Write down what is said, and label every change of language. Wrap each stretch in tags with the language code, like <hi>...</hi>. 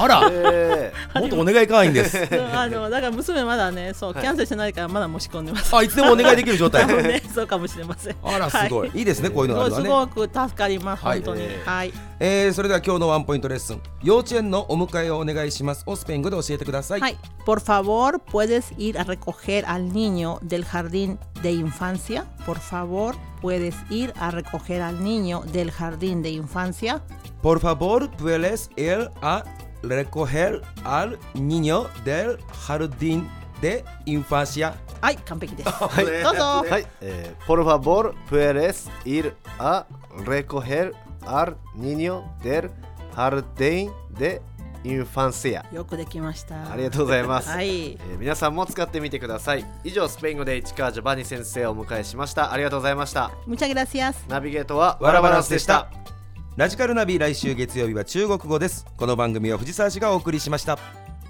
<ja>あら、もっとお願い会員です。あのだから娘まだね、そう、はい、キャンセルしてないからまだ申し込んでます。あ、いつでもお願いできる状態、ね、そうかもしれません。あら、すごい、いいですね、こういうのがあるのはね。すごく助かります、本当に。はい、それでは今日のワンポイントレッスン、幼稚園のお迎えをお願いしますをスペイン語で教えてください。</ja> <es>はい、Por favor, puedes ir a recoger al niño del jardín de infancia. Por favor, puedes ir a recoger al niño del jardín de infancia. Por favor, puedes ir a recoger al niño del jardín de infancia.</es> <ja>はい、完璧です。はい、どうぞ。</ja> <es>はい、Por favor, puedes ir a recogerAl niño del jardín de infancia。</es> <ja>よくできました。ありがとうございます。はい、皆さんも使ってみてください。以上、スペイン語で市川ジョバニ先生をお迎えしました。ありがとうございました。</ja> <es>Muchas gracias。</es> <ja>ナビゲートはワラバランスでした。ラジカルナビ、来週月曜日は中国語です。この番組は藤沢市がお送りしました。</ja>